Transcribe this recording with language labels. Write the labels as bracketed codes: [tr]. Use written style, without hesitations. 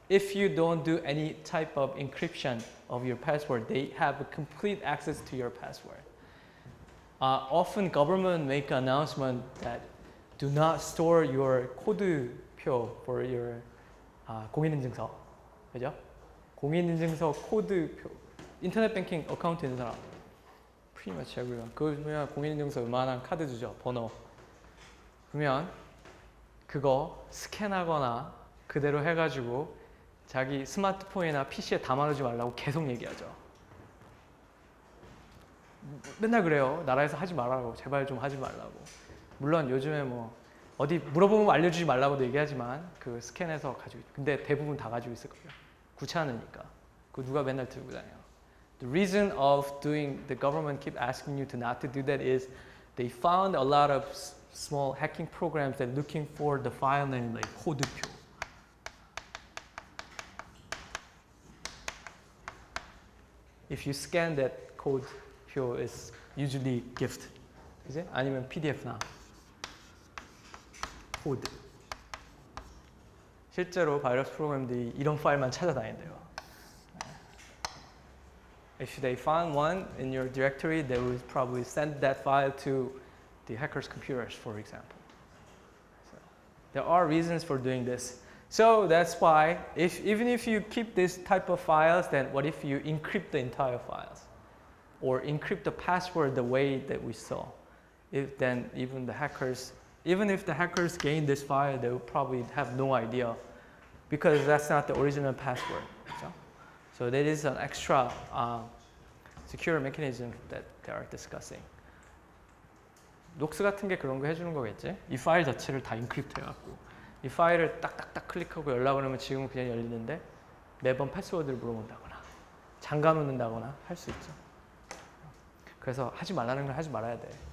[en] If you don't do any type of encryption of your password, they have a complete access to your password. Often government make announcement that do not store your code for your [ko] 공인인증서, 그죠? 공인인증서 코드표, 인터넷 뱅킹 어카운트 있는 사람, [en] pretty much everyone. [ko] 그러면 공인인증서 웬만한 카드 주죠, 번호. 그러면 그거 스캔하거나 그대로 해가지고 자기 스마트폰이나 PC에 담아놓지 말라고 계속 얘기하죠. 맨날 그래요. 나라에서 하지 말라고, 제발 좀 하지 말라고. 물론 요즘에 뭐 어디 물어보면 알려주지 말라고도 얘기하지만 그 스캔해서 가지고 있, 근데 대부분 다 가지고 있을 거예요. 구차하니까. 그 누가 맨날 들고 다녀요. [en] The reason of doing the government keep asking you to not to do that is they found a lot of small hacking programs that looking for the file name like 코드표. If you scan that code 표 is usually gift. [ko] 이제 아니면 PDF나 코드. 실제로 바이러스 프로그램들이 이런 파일만 찾아다닌대요. [en] If they find one in your directory, they will probably send that file to the hacker's computers, for example. So, there are reasons for doing this. So that's why, even if you keep this type of files, then what if you encrypt the entire files? Or encrypt the password the way that we saw? Even if the hackers gain this file, they will probably have no idea because that's not the original password. So that is an extra secure mechanism that they are discussing. [ko] 녹스 같은 게 그런 거 해주는 거겠지? 이 파일 자체를 다 인크립트 해갖고 이 파일을 딱딱딱 클릭하고 열라고 하면 지금은 그냥 열리는데 매번 패스워드를 물어본다거나 잠가놓는다거나 할 수 있죠. 그래서 하지 말라는 걸 하지 말아야 돼.